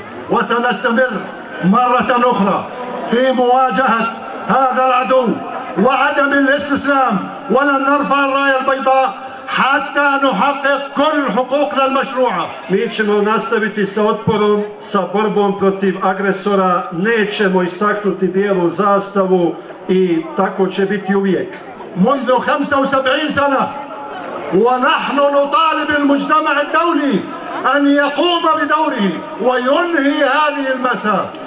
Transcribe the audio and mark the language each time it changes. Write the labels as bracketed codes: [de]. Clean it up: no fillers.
[ar] وسنستمر مرة أخرى في مواجهة هذا العدو وعدم الاستسلام ولن نرفع الراية البيضاء حتى نحقق كل حقوقنا المشروعة. [bs] Mi ćemo nastaviti sa otporom, sa borbom protiv agresora. Nećemo istaknuti bijelu zastavu i tako će biti uvijek. [ar] منذ 75 سنة ونحن نطالب المجتمع الدولي أن يقوم بدوره وينهي هذه المأساة.